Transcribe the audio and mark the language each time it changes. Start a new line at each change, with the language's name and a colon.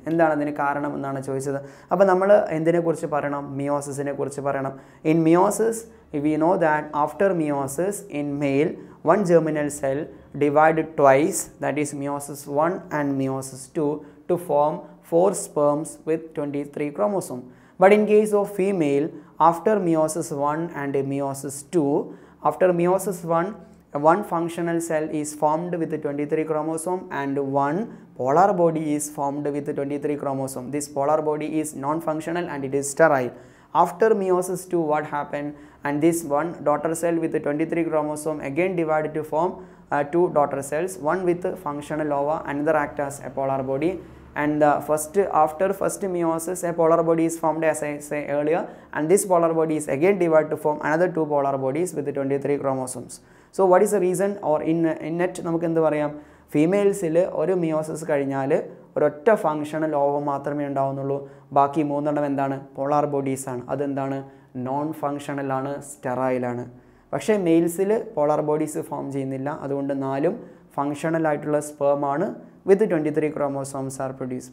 Malayalam: എന്താണ് അതിന് കാരണം എന്നാണ് ചോദിച്ചത്. അപ്പോൾ നമ്മൾ എന്തിനെക്കുറിച്ച് പറയണം? മിയോസിസിനെ കുറിച്ച് പറയണം.
English: In meiosis we know that after meiosis in male one germinal cell divide twice, that is meiosis one and meiosis two, to form four sperms with 23 chromosome. But in case of female after meiosis one and meiosis two, after meiosis one one functional cell is formed with 23 chromosome and one polar body is formed with 23 chromosome. This polar body is non-functional and it is sterile. After meiosis II, what happened? And this one daughter cell with 23 chromosome again divided to form two daughter cells, one with functional ova, another act as a polar body. And the first, after first meiosis, a polar body is formed, as I say earlier, and this polar body is again divided to form another two polar bodies with 23 chromosomes. So what is a reason or in net
Malayalam: നമുക്ക് എന്ത് പറയാം, ഫീമെയിൽസിൽ ഒരു meiosis കഴിഞ്ഞാൽ ഒരൊറ്റ functional ovum മാത്രമേ ഉണ്ടാവുന്നുള്ളൂ, ബാക്കി മൂന്നെണ്ണം എന്താണ്, പോളാർ ബോഡീസാണ്. അതെന്താണ്, നോൺ ഫങ്ഷണലാണ്, സ്റ്റെറൈലാണ്. പക്ഷേ മെയിൽസിൽ പോളാർ ബോഡീസ് ഫോം ചെയ്യുന്നില്ല, അതുകൊണ്ട് നാലും ഫങ്ഷണലായിട്ടുള്ള സ്പേമാണ്
English: With 23 chromosomes are produce.